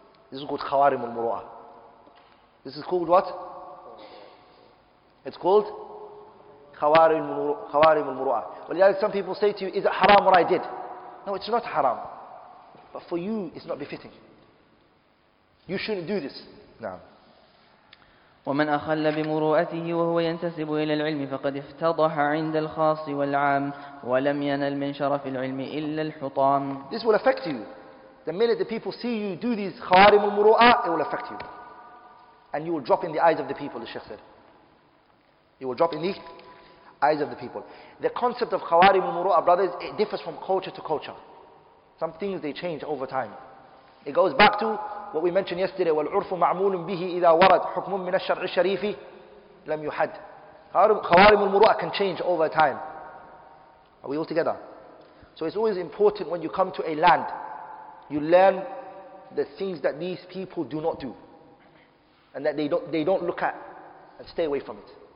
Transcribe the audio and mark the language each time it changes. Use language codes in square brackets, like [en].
[en] This is called khawarim al-muru'ah. This is called what? It's called khawarim al-muru'ah. Well, some people say to you, is it haram what I did? No, it's not haram. But for you, it's not befitting. You shouldn't do this. Now. [ar] ومن أخل بمروءته وهو ينتسب إلى العلم فقد افتضح عند الخاص والعام ولم ينل من شرف العلم إلا الحطام. [en] This will affect you. The minute the people see you do these خوارم المروءة, it will affect you. And you will drop in the eyes of the people, the Sheikh said. You will drop in the eyes of the people. The concept of خوارم المروءة, brothers, it differs from culture to culture. Some things, they change over time. It goes back to what we mentioned yesterday, [ar] والعرف معمول به إذا ورد حكم من الشرع الشريف لم يحد. [en] خوارم المروءة can change over time. Are we all together? So it's always important when you come to a land, you learn the things that these people do not do, and that they don't look at, and stay away from it.